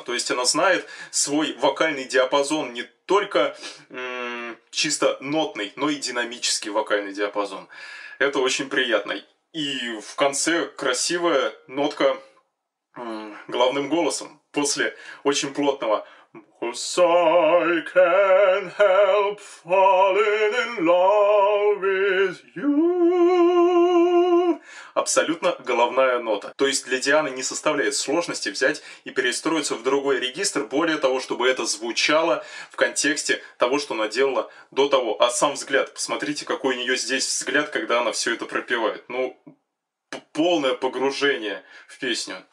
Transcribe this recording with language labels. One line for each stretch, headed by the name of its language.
Russian: То есть она знает свой вокальный диапазон не только чисто нотный, но и динамический вокальный диапазон. Это очень приятно. И в конце красивая нотка главным голосом после очень плотного.
English: Because I can't help falling in love with you.
Russian: Абсолютно головная нота. То есть для Дианы не составляет сложности взять и перестроиться в другой регистр, более того, чтобы это звучало в контексте того, что она делала до того. А сам взгляд, посмотрите, какой у нее здесь взгляд, когда она все это пропевает. Ну, полное погружение в песню.